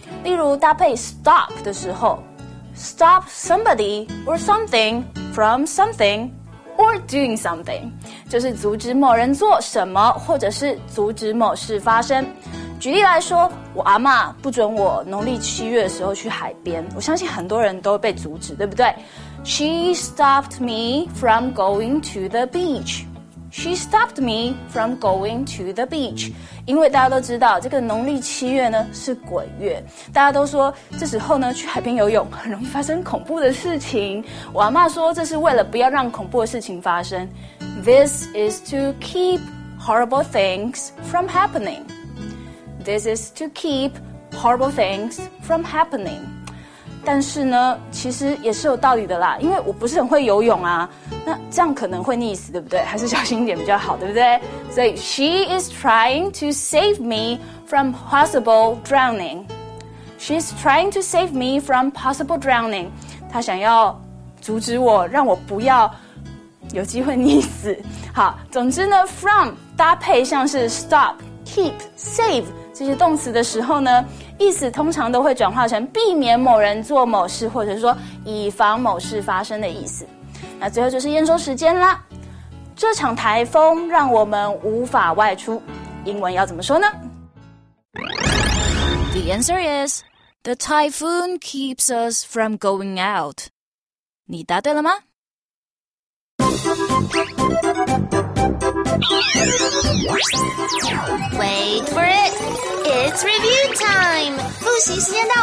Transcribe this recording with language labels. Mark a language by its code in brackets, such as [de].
[zh] 例如搭配 stop 的时候 ， [en] stop somebody or something from something or doing something， [zh] 就是阻止某人做什么，或者是阻止某事发生。举例来说，我阿嬷不准我农历七月的时候去海边，我相信很多人都会被阻止，对不对？ [en] She stopped me from going to the beach. She stopped me from going to the beach. [zh] 因为大家都知道这个农历七月呢是鬼月。大家都说这时候呢去海边游泳很容易发生恐怖的事情。我阿嬷说这是为了不要让恐怖的事情发生。 [en] This is to keep horrible things from happening. This is to keep horrible things from happening. [zh] 但是呢其实也是有道理的啦因为我不是很会游泳啊那这样可能会溺死对不对还是小心一点比较好对不对所以 [en] She is trying to save me from possible drowning She's trying to save me from possible drowning [zh] 她想要阻止我让我不要有机会溺死好总之呢 from 搭配像是 stop keep save这些动词的时候呢意思通常都会转化成避免某人做某事，或者说以防某事发生的意思。那最后就是验收时间啦。这场台风让我们无法外出，英文要怎么说呢？ [en] The answer is, the typhoon keeps us from going out. [zh] 你答对了吗？ [en] Wait for it! It's review time! [zh] 复习时间到